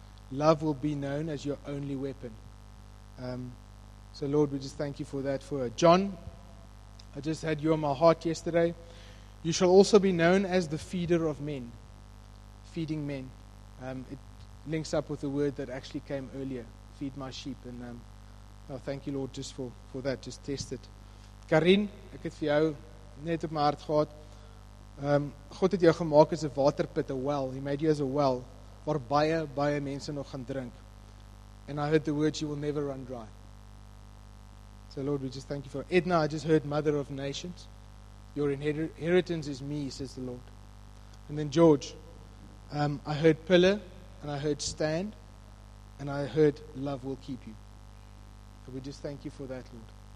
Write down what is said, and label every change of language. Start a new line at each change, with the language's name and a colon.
English: Love will be known as your only weapon. So Lord, we just thank you for that. For John, I just had you on my heart yesterday. You shall also be known as the feeder of men, feeding men. It links up with the word that actually came earlier, feed my sheep. And thank you, Lord, just for that. Just test it.
Afrikaans: Karin, ek het vir jou net op my hart gehad. God het jou gemaak as 'n waterput,
English: a well. He made you as a well,
Afrikaans: waar baie, baie mense nog gaan drink.
English: And I heard the words, you will never run dry. So Lord, we just thank you for it. Edna, I just heard, mother of nations, your inheritance is me, says the Lord. And then George, I heard pillar, and I heard stand, and I heard love will keep you. So we just thank you for that, Lord.